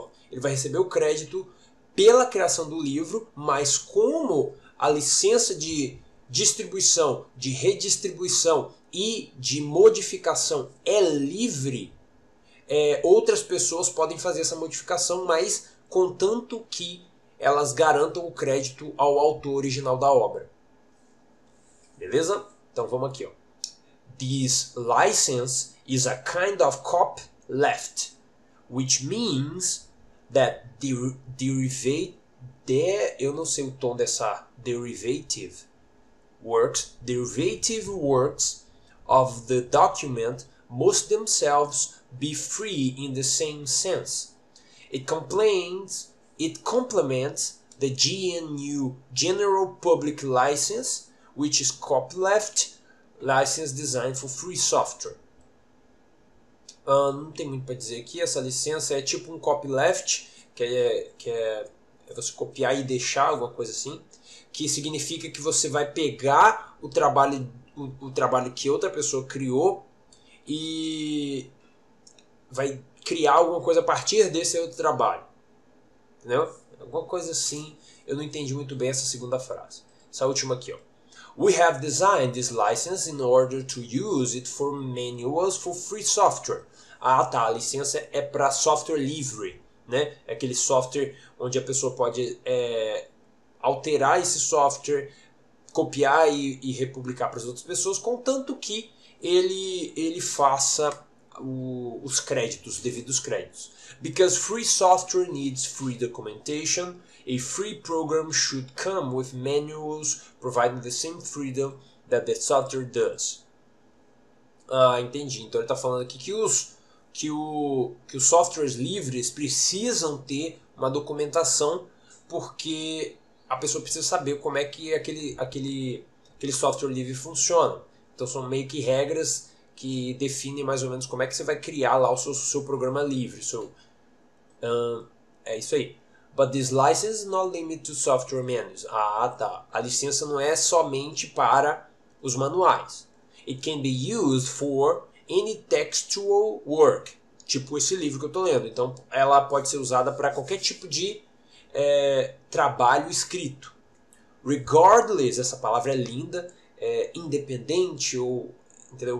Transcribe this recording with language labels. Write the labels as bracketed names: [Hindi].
[Portuguese] ele vai receber o crédito pela criação do livro, mas como a licença de distribuição, de redistribuição e de modificação é livre, outras pessoas podem fazer essa modificação, mas contanto que elas garantam o crédito ao autor original da obra. Beleza? Então vamos aqui, ó. [English] This license is a kind of copyleft, which means that [Portuguese] eu não sei o tom dessa [English] derivative works of the document must themselves be free in the same sense. It complements the GNU General Public License, which is copyleft license designed for free software. [Portuguese] Não tem muito para dizer aqui. Essa licença é tipo um copyleft, que é você copiar e deixar, alguma coisa assim, que significa que você vai pegar o trabalho que outra pessoa criou e vai criar alguma coisa a partir desse outro trabalho. Entendeu? Alguma coisa assim. Eu não entendi muito bem essa segunda frase. Essa última aqui, ó. [English] We have designed this license in order to use it for manuals for free software. [Portuguese] Ah, tá, a licença é para software livre, né? É aquele software onde a pessoa pode alterar esse software, copiar e republicar para as outras pessoas, contanto que ele faça os créditos, os devidos créditos. [English] Because free software needs free documentation, a free program should come with manuals providing the same freedom that the software does. [Portuguese] Ah, entendi. Então ele está falando aqui que os softwares livres precisam ter uma documentação porque a pessoa precisa saber como é que aquele software livre funciona. Então são meio que regras que definem mais ou menos como é que você vai criar lá o seu programa livre, é isso aí. [English] But this license is not limited to software manuals. [Portuguese] Ah, tá. A licença não é somente para os manuais. [English] It can be used for any textual work. [Portuguese] Tipo esse livro que eu estou lendo. Então, ela pode ser usada para qualquer tipo de trabalho escrito. Regardless, essa palavra é linda, é independente ou, entendeu?